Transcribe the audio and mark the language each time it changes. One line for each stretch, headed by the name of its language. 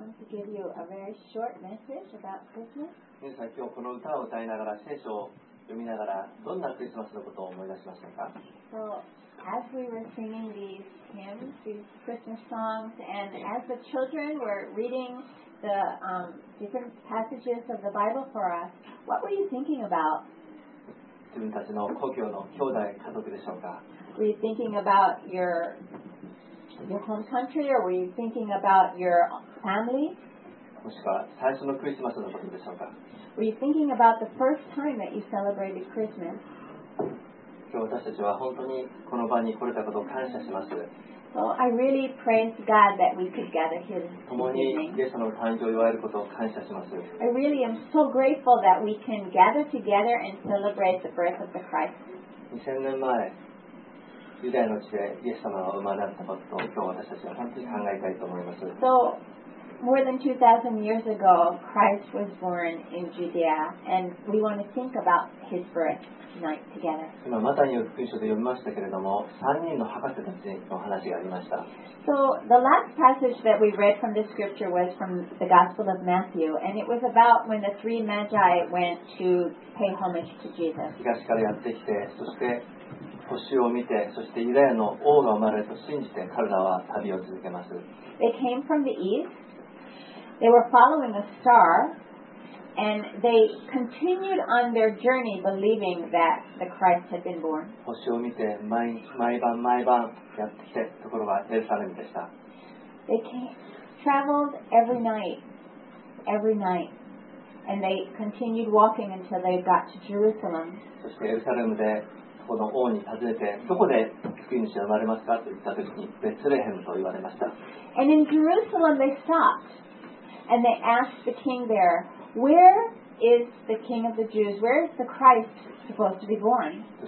English: Give you a very short message about Christmas.
Japanese: 皆さん今日この歌を歌いながら聖書を読みながらどんなクリスマスのことを思い出しましたか？
English: So, as we were singing these hymns, these Christmas songs, and as the children were reading the different passages of the Bible for us, what were you thinking about?
Japanese: 自分たちの故郷の兄弟、家族でしょうか？
English: Were you thinking about your home country, or were you thinking about your family?
Japanese: もしくは最初のクリスマスのことでしょうか？
English: Were you thinking about the first time that you celebrated Christmas?
Japanese: 今日私たちは本当にこの場に来れたことを感謝します。
English: So I really praise God that we could gather here this evening.
Japanese: 共にイエス様の誕生を祝えることを感謝します。
English: I really am so grateful that we can gather together and celebrate the birth of the Christ.
Japanese: 2000年前、ユダヤの地でイエス様が生まれたことを今日私たちは本当に考えたいと思います。
English: So,More than 2,000 years ago, Christ was born in Judea, and we want to think about his birth tonight together.
Japanese: 今マタイの福音書で読みましたけれども、3人の博士たちの話がありました。
English: So the last passage that we read from this scripture was from the Gospel of Matthew, and it was about when the three magi went to pay homage to Jesus.
Japanese: 東からやってきて、そして星を見て、そしてユダヤの王が生まれると信じて、彼らは旅を続けます。
English: They came from the east. They were following a star, and they continued on their journey believing that the Christ had been born.
Japanese: 星を見て毎晩やってきて、ところがエルサレムでした。
English: They traveled every night, and they continued walking until they got to Jerusalem.
Japanese: そしてエルサレムでこの王に尋ねて、どこで救い主が生まれますかと言った時に、ベツレヘムと言われました。
English: And in Jerusalem they stopped. And they asked the king there, where is the king of the Jews? Where is the Christ supposed to be born?